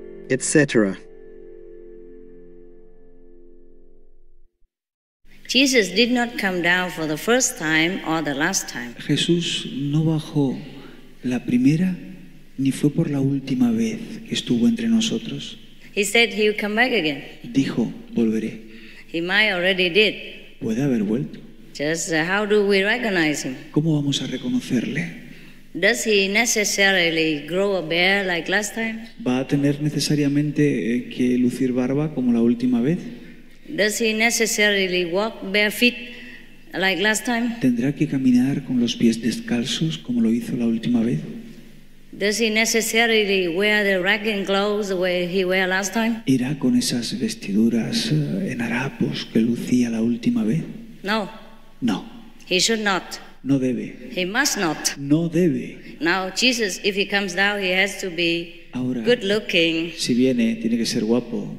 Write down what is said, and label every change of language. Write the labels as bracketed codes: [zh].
[en] Etc. Jesus did not come down for the first time or the last time. [es] Jesús no bajó la primera ni fue por la última vez que estuvo entre nosotros. [en] He said he'll come back again. [es] Dijo, volveré. [en] He might already did. [es] Puede haber vuelto. [en] Just how do we recognize him? [es] ¿Cómo vamos a reconocerle? [en] Does he necessarily grow a beard like last time? [es] ¿Va a tener necesariamente que lucir barba como la última vez? [en] Does he necessarily walk bare feet like last time? [es] ¿Tendrá que caminar con los pies descalzos como lo hizo la última vez? [en] Does he necessarily wear the ragged clothes the way he wore last time? [es] ¿Irá con esas vestiduras en harapos que lucía la última vez? [en] No. [es] No. [en] He should not. [es] No debe. [en] He must not. [es] No debe. [en] Now, Jesus, if he comes down, he has to be good looking. [es] Si viene, tiene que ser guapo.